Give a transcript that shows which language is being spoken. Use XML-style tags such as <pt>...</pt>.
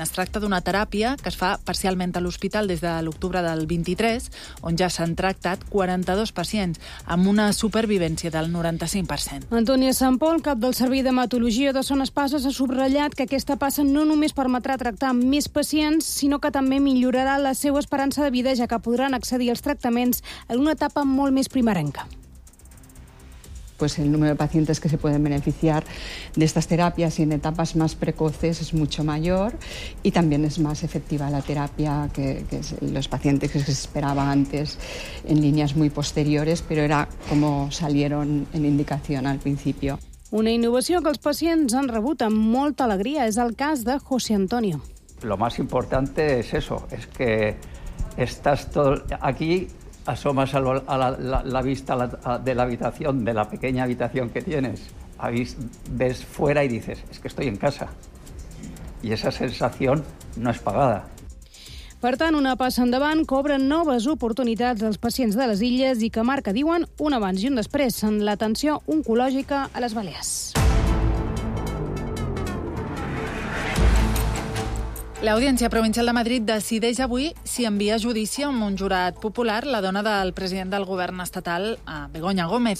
<ca>Es tracta d'una teràpia que es fa parcialment a l'hospital des de l'octubre del 23, on ja s'han tractat 42 pacients, amb una supervivència del 95%. Antònia Santpol, cap del Servei d'Hematologia de Son Espases, ha subratllat que aquesta passa no només permetrà tractar més pacients, sinó que també millorarà la seva esperança de vida, ja que podran accedir als tractaments en una etapa molt més primerenca.</ca> <es>Pues el número de pacientes que se pueden beneficiar de estas terapias y en etapas más precoces es mucho mayor y también es más efectiva la terapia que los pacientes que se esperaba antes en líneas muy posteriores, pero era como salieron en indicación al principio.</es> <ca>Una innovació que els pacients han rebut amb molta alegria és el cas de José Antonio.</ca> <es>Lo más importante es eso, es que estás todo aquí. Asomas a la vista de la habitación, de la pequeña habitación que tienes, ves fuera y dices, es que estoy en casa. Y esa sensación no es pagada.</es> <ca>Per tant, una passa endavant que obre noves oportunitats als pacients de les Illes i que marca, diuen, un abans i un després en l'atenció oncològica a les Balears. L'Audiència Provincial de Madrid decideix avui si envia a judici amb un jurat popular la dona del president del govern estatal, Begoña Gómez.</ca>